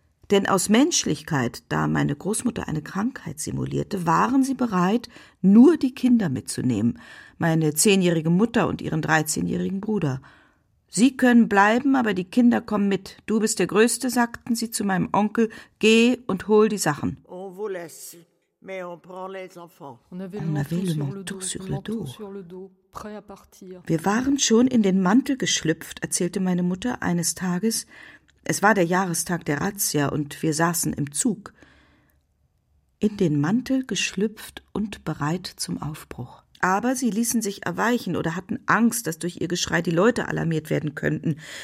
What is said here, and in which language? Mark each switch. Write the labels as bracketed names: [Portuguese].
[German] Denn aus Menschlichkeit, da meine Großmutter eine Krankheit simulierte, waren sie bereit, nur die Kinder mitzunehmen, meine 10-jährige Mutter und ihren 13-jährigen Bruder. Sie können bleiben, aber die Kinder kommen mit. Du bist der Größte, sagten sie zu meinem Onkel. Geh und hol die Sachen. [French] On vous laisse, mais on prend les enfants. On avait le manteau sur le dos. Prêt à partir. [German] Wir waren schon in den Mantel geschlüpft, erzählte meine Mutter eines Tages. Es war der Jahrestag der Razzia und wir saßen im Zug. In den Mantel geschlüpft und bereit zum Aufbruch. Aber sie ließen sich erweichen oder hatten Angst, dass durch ihr Geschrei die Leute alarmiert werden könnten.